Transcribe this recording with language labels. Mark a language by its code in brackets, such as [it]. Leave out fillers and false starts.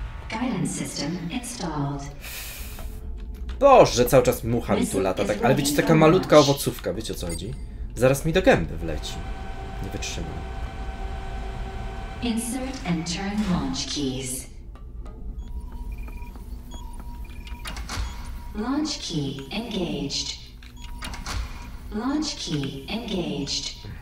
[en] Guidance system installed. [pl] Boże, cały czas mucha mi tu lata, tak? Ale wiecie, taka malutka owocówka, wiecie o co chodzi? Zaraz mi do gęby wleci. Nie wytrzymam. [en] Insert and turn launch keys. Launch key engaged. Launch key engaged.